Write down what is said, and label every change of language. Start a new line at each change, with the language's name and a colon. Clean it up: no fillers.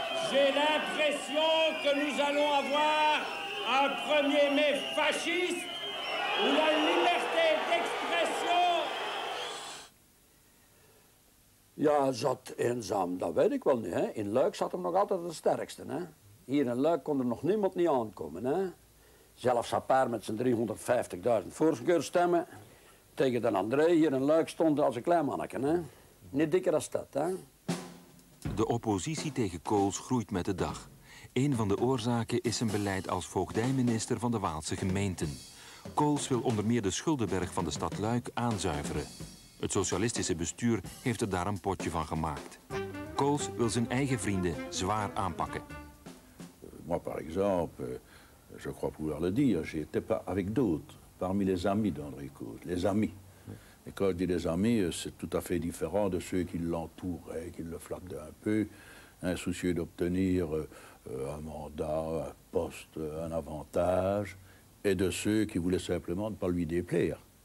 French: J'ai l'impression que nous allons avoir un 1er mai fasciste où la liberté d'expression.
Dutch: Ja, zat eenzaam, dat weet ik wel niet. Hè. In Luik zat hem nog altijd het sterkste. Hè. Hier in Luik kon er nog niemand niet aankomen. Hè. Zelfs Appart met zijn 350.000 voorkeurstemmen tegen de André hier in Luik stond als een klein manneke. Hè. Niet dikker als dat, hè? De oppositie tegen Kools groeit met de dag. Een van de oorzaken is zijn beleid als voogdijminister van de Waalse gemeenten. Kools wil onder meer de schuldenberg van de stad Luik aanzuiveren. Het socialistische bestuur heeft er daar een potje van gemaakt. Kools wil zijn eigen vrienden zwaar aanpakken.
French: Moi, par exemple, je crois pouvoir le dire, j'étais pas avec d'autres parmi les amis d'André Kools, les amis. Et quand je dis des amis, c'est tout à fait différent de ceux qui l'entouraient, qui le flattaient un peu, hein, soucieux d'obtenir un mandat, un poste, un avantage, et de ceux qui voulaient simplement ne pas lui déplaire.